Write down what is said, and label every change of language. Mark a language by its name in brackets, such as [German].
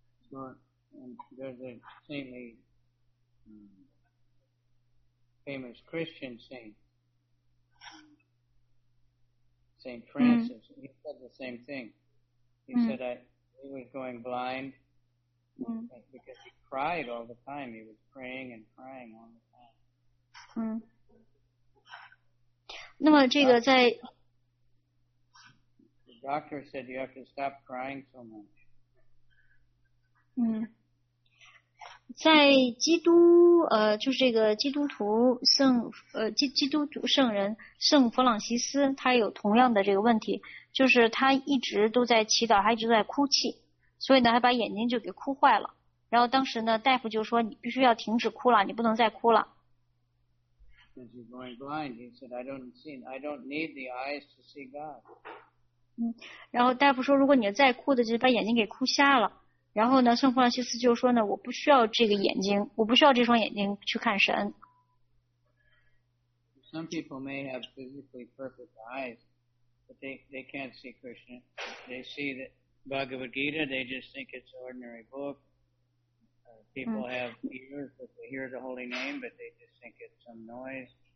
[English] so, there's a saintly famous Christian saint Saint Francis he said the same thing he said he was going blind because he cried all the time he was praying and crying all the time [Chinese] 那么这个在 [English] The doctor said you have to stop crying so much. [Chinese] 在基督就是这个基督徒圣基督徒圣人圣弗朗西斯他有同样的这个问题就是他一直都在祈祷他一直在哭泣所以呢他把眼睛就给哭坏了然后当时呢大夫就说你必须要停止哭了你不能再哭了。 [English] Because you're going blind, he said, I don't need the eyes to see God. [Chinese] 然后大夫说，如果你再哭的，就是把眼睛给哭瞎了。然后呢，圣弗朗西斯就说呢，我不需要这个眼睛，我不需要这双眼睛去看神。 [English] Some people may have physically perfect eyes, but they can't see Krishna. They see the Bhagavad Gita, they just think it's an ordinary book. People have ears that they hear the holy name, but they just think it's some noise.